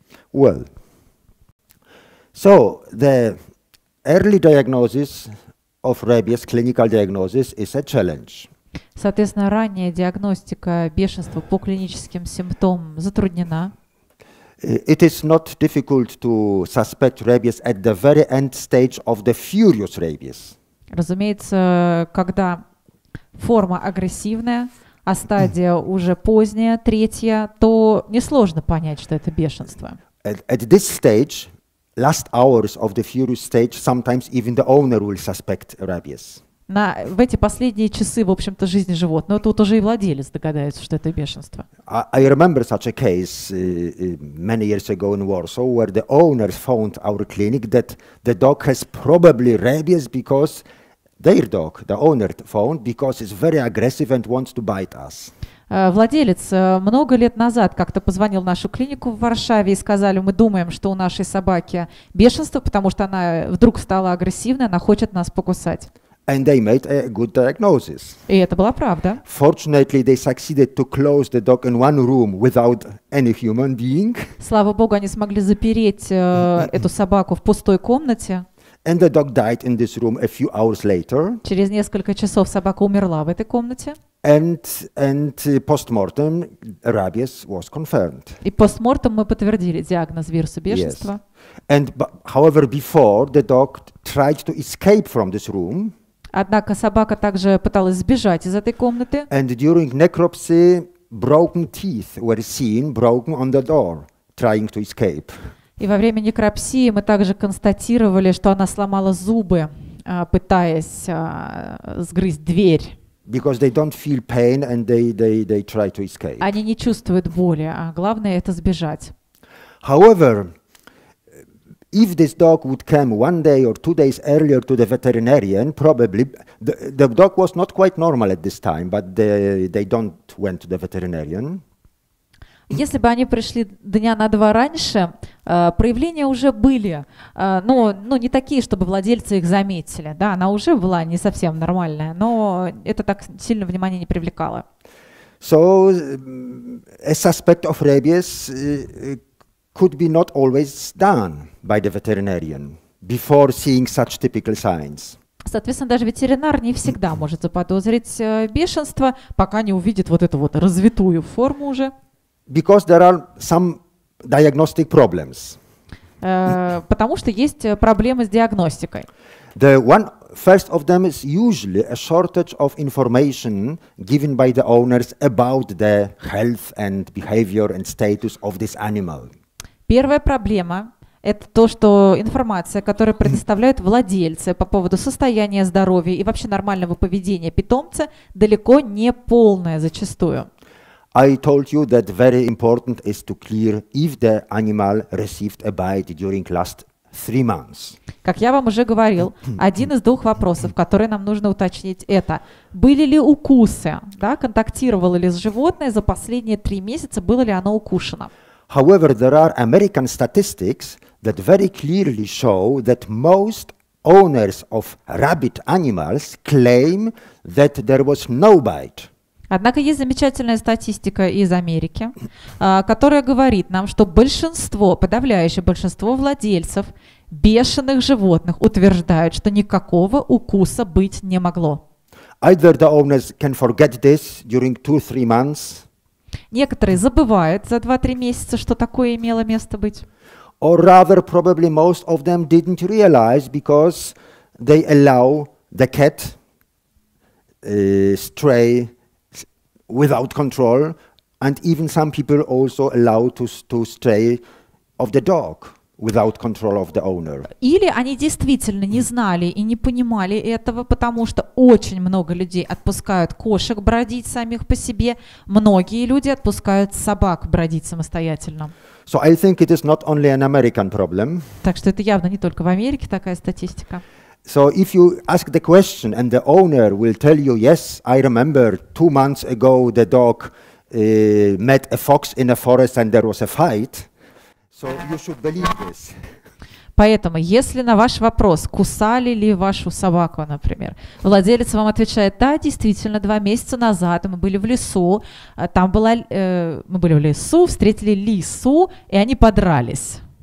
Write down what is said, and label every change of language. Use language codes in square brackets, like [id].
[en] Well, so the early diagnosis of rabies, clinical diagnosis, is a challenge. [ru] Соответственно, ранняя диагностика бешенства по клиническим симптомам затруднена. [en] It is not difficult to suspect rabies at the very end stage of the furious rabies. [ru] Разумеется, когда форма агрессивная, а стадия уже поздняя, третья, то несложно понять, что это бешенство. [en] At this stage, last hours of the furious stage, sometimes even the owner will suspect rabies. [ru] На в эти последние часы, в общем-то, жизни животного, тут уже и владелец догадается, что это бешенство. [en] I remember such a case many years ago in Warsaw, where the owner found our clinic that the dog has probably rabies because their dog, the owner found, because it's very aggressive and wants to bite us. [ru] Владелец много лет назад как-то позвонил в нашу клинику в Варшаве и сказали, мы думаем, что у нашей собаки бешенство, потому что она вдруг стала агрессивной, она хочет нас покусать. [en] And they made a good diagnosis. [ru] И это была правда. [en] Fortunately, they succeeded to close the dog in one room without any human being. [ru] Слава богу, они смогли запереть эту собаку в пустой комнате. [en] And the dog died in this room a few hours later. [ru] Через несколько часов собака умерла в этой комнате. [en] And postmortem rabies was confirmed. [ru] И постмортем мы подтвердили диагноз вируса бешенства. [en] Yes. And however, before the dog tried to escape from this room. [ru] Однако собака также пыталась сбежать из этой комнаты. [en] And during necropsy, broken teeth were seen, broken on the door, trying to escape. [ru] И во время некропсии мы также констатировали, что она сломала зубы, пытаясь сгрызть дверь. [en] Because they don't feel pain and they try to escape. [ru] Они не чувствуют боли, а главное это сбежать. [en] However, if this dog would come one day or two days earlier to the veterinarian, probably the dog was not quite normal at this time, but they don't went to the veterinarian. [ru] Если бы они пришли дня на два раньше, проявления уже были, но не такие, чтобы владельцы их заметили. Да, она уже была не совсем нормальная, но это так сильно внимания не привлекало. [en] So, a suspect of rabies could be not always done by the veterinarian before seeing such typical signs. [ru] Соответственно, даже ветеринар не всегда может заподозрить бешенство, пока не увидит вот эту вот развитую форму уже. [en] Because there are some diagnostic problems. [ru] Потому что есть проблемы с диагностикой. [en] The one first of them is usually a shortage of information given by the owners about the health and behavior and status of this animal. [ru] Первая проблема – это то, что информация, которую предоставляют владельцы по поводу состояния здоровья и вообще нормального поведения питомца, далеко не полная зачастую. [en] I told you that very important is to clear if the animal received a bite during last 3 months. [ru] Как я вам уже говорил, один из двух вопросов, которые нам нужно уточнить, это были ли укусы, да, контактировало ли с животное за последние 3 месяца, было ли оно укушено. [en] However, there are American statistics that very clearly show that most owners of rabbit animals claim that there was no bite. [ru] Однако есть замечательная статистика из Америки, которая говорит нам, что большинство, подавляющее большинство владельцев бешеных животных утверждают, что никакого укуса быть не могло. [en] Either the owners can forget this during 2-3 months. [ru] Некоторые забывают за 2-3 месяца, что такое имело место быть. [en] Or rather, probably most of them didn't realize because they allow the cat stray without control, and even some people also allow to stray of the dog without control of the owner. [ru] Или они действительно не знали и не понимали этого, потому что очень много людей отпускают кошек бродить самих по себе, многие люди отпускают собак бродить самостоятельно. [en] So I think it is not only an American problem. [ru] Так что это явно не только в Америке такая статистика. [en] So if you ask the question and the owner will tell you, yes, I remember 2 months ago the dog met a fox in a forest and there was a fight, so you should believe this. [ru] Поэтому, если на ваш вопрос, кусали ли вашу собаку, например, владелец вам отвечает, да, действительно, 2 месяца назад мы были в лесу, там была, мы были в лесу, встретили лису, и они подрались.